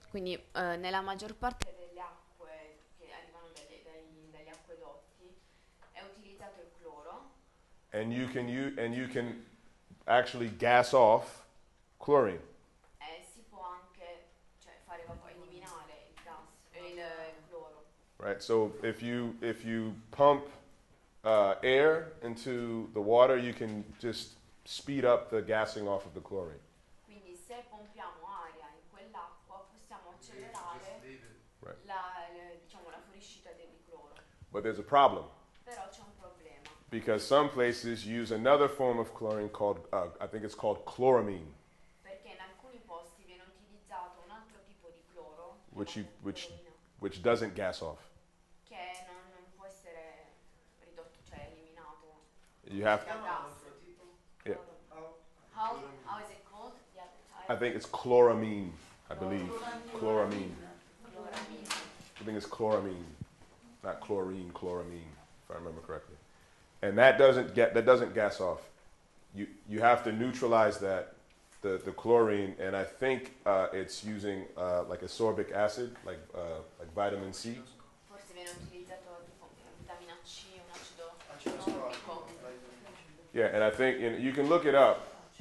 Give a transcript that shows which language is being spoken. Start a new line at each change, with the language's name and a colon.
Italian: Quindi nella maggior parte delle acque che arrivano dagli acquedotti è utilizzato il cloro.
English: And you can actually gas off chlorine.
Italian: E si può anche fare eliminare il cloro.
English: Right. So if you pump air into the water, you can just speed up the gassing off of the chlorine.
Italian: Quindi se pompiamo aria in quell'acqua possiamo accelerare la fuoriuscita del cloro.
English: But there's a problem.
Italian: Però c'è un
English: because some places use another form of chlorine called, I think it's called chloramine.
Italian: Perché in alcuni posti viene utilizzato un altro tipo di cloro.
English: Which doesn't gas off.
Italian: Che non può essere ridotto, cioè eliminato.
English: You have to. Yeah. How is it called? I think it's chloramine, I believe. Chloramine. I think it's chloramine, not chlorine, chloramine, if I remember correctly. And that doesn't gas off. You have to neutralize that, the chlorine, and I think it's using like ascorbic acid, like vitamin C.
Italian: Forse viene utilizzato tipo vitamina C, un acido.
English: Yeah, and I think you can look it up.